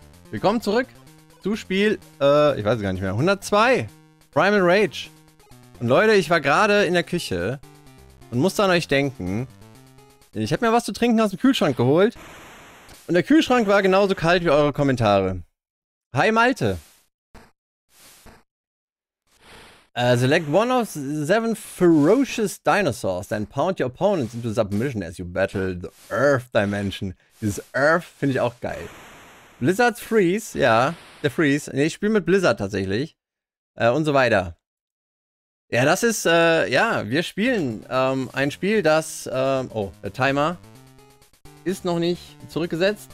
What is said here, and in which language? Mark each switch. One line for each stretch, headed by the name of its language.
German: Willkommen zurück zu Spiel, ich weiß es gar nicht mehr, 102, Primal Rage. Und Leute, ich war gerade in der Küche und musste an euch denken. Ich habe mir was zu trinken aus dem Kühlschrank geholt und der Kühlschrank war genauso kalt wie eure Kommentare. Hi Malte.
English: Select one of seven ferocious dinosaurs, then pound your opponents into submission as you battle the Earth Dimension.
German: Dieses Earth finde ich auch geil. Blizzard's Freeze, ja, der Freeze. Nee, ich spiele mit Blizzard tatsächlich. Und so weiter. Ja, das ist, ja, wir spielen ein Spiel, das, der Timer ist noch nicht zurückgesetzt.